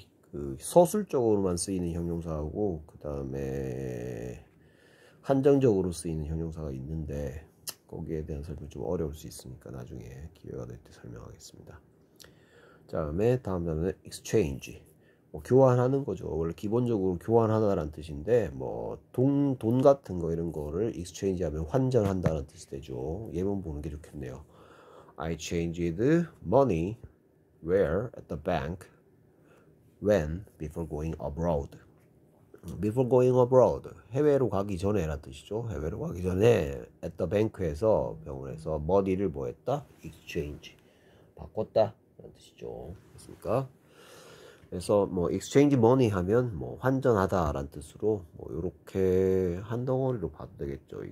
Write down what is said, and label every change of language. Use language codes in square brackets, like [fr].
[ko] 그 서술적으로만 쓰이는 형용사하고 그 다음에 한정적으로 쓰이는 형용사가 있는데 거기에 대한 설명이 좀 어려울 수 있으니까 나중에 기회가 될때 설명하겠습니다. 다음에 다음 단어는 exchange. 뭐 교환하는 거죠. 원래 기본적으로 교환하다라는 뜻인데 뭐 돈 같은 거 이런 거를 exchange 하면 환전한다는 뜻이 되죠. 예문 보는 게 좋겠네요. [en] I changed money where at the bank when before going abroad. Before going abroad. [ko] 해외로 가기 전에라는 뜻이죠. 해외로 가기 전에 [en] at the bank [ko] 에서 병원에서 money를 뭐 했다? exchange 바꿨다라는 뜻이죠. 그렇습니까? 그래서 뭐 [en] exchange money [ko] 하면 뭐 환전하다라는 뜻으로 뭐 이렇게 한 덩어리로 봐도 되겠죠.